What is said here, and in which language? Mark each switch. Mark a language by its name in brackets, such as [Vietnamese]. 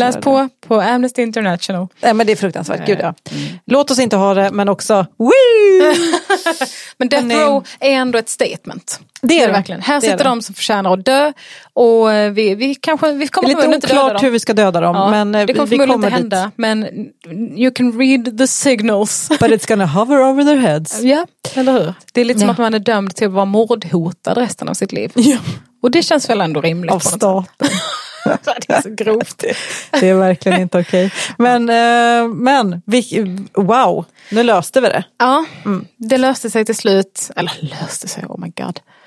[Swedish] läs på Amnesty International. Nej, men det är fruktansvärt, gud ja. Låt oss inte ha det, men också woo! Men death row är ändå ett statement. Det är det. Verkligen. Här sitter de som förtjänar att dö. Och vi kommer att döda dem. Det är lite oklart hur vi ska döda dem. Ja, men det kommer förmodligen inte hända. [English] Men you can read the signals. But it's gonna hover over their heads. [Swedish] Ja, eller hur? Det är lite som att man är dömd till att vara mordhotad resten av sitt liv. Ja. Och det känns väl ändå rimligt. Av staten. Det är så grovt. Det är verkligen inte okej. Men wow, nu löste vi det. Ja, det löste sig till slut. Eller löste sig, [English] oh my god.